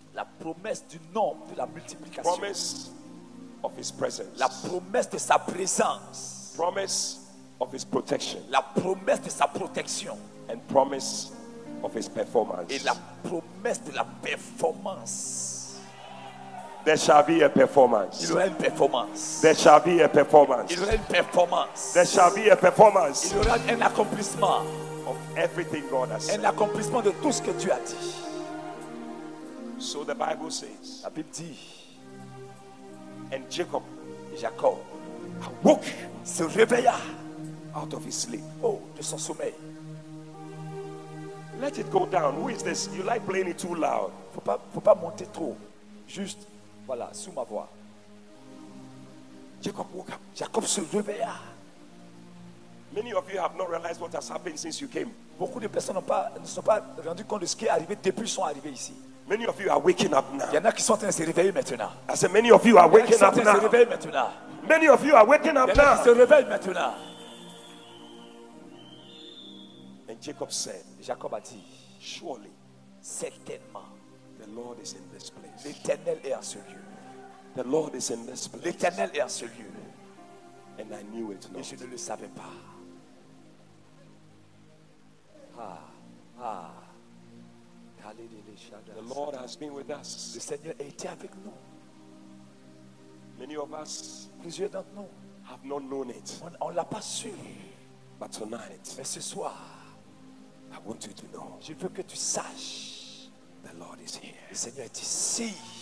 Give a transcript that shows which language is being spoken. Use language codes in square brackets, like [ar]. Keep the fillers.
[fr] la promesse du nom de la multiplication. [en] Promise of his presence. [fr] La promesse de sa présence. [en] Promise of his protection. [fr] La promesse de sa protection. [en] And promise of his performance. [fr] Et la promesse de la performance. [en] There shall be a performance. [fr] Il y aura une performance. [en] There shall be a performance. [fr] Il y aura une performance. [en] There shall be a performance. [fr] Il y aura un accomplissement [en] of everything God has said. [fr] Un accomplissement de tout ce que tu as dit. [en] So the Bible says. La And Jacob, Jacob, awoke, [fr] se réveilla, [en] out of his sleep. Oh, [fr] de son sommeil. [en] Let it go down. Who is this? You like playing it too loud. [fr] Faut pas, faut pas monter trop. Juste, voilà, sous ma voix. [en] Jacob woke Jacob [fr] se réveilla. [en] Many of you have not realized what has happened since you came. [fr] Beaucoup de personnes n'ont pas, ne sont pas rendu compte de ce qui est arrivé depuis qu'ils sont arrivés ici. [en] Many of you are waking up now. [fr] Il y en a qui sont en se réveillent maintenant. [en] I said many of you are waking up now. [fr] Il y en a qui en [en] now. [fr] se réveillent maintenant. [en] Many of you are waking up now. [fr] Il y en a [en] now. [fr] se réveillent maintenant. [en] And Jacob said, [fr] Jacob a dit, [en] surely, [fr] certainement, [en] the Lord is in this place. [fr] L'Éternel est en ce lieu. [en] The Lord is in this place. [fr] L'Éternel est en ce lieu. [en] And I knew it not. [fr] Et je ne le savais pas. Ah, ah. [en] The Lord has been with us. [fr] Le Seigneur a été avec nous. [en] Many of us [fr] Plusieurs d'entre nous [en] have not known it. [fr] On, on l'a pas su. [en] But tonight, [fr] Mais ce soir, [en] I want you to know [fr] je veux que tu saches [en] the Lord is here. [fr] le Seigneur est ici.